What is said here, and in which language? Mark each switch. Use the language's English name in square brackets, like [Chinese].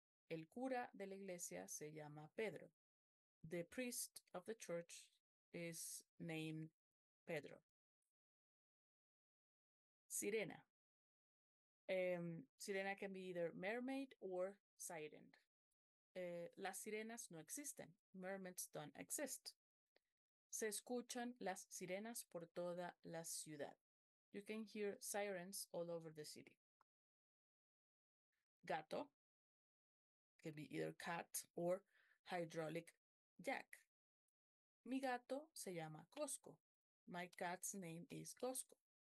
[Spanish] El cura de la iglesia se llama Pedro. [English] The priest of the church is named Pedro. Sirena. Sirena can be either mermaid or siren. [Spanish] Las sirenas no existen. [English] Mermaids don't exist. [Spanish] Se escuchan las sirenas por toda la ciudad. [English] You can hear sirens all over the city. Gato, can be either cat or hydraulic jack. [Spanish] Mi gato se llama Costco. [English] My cat's name is Costco.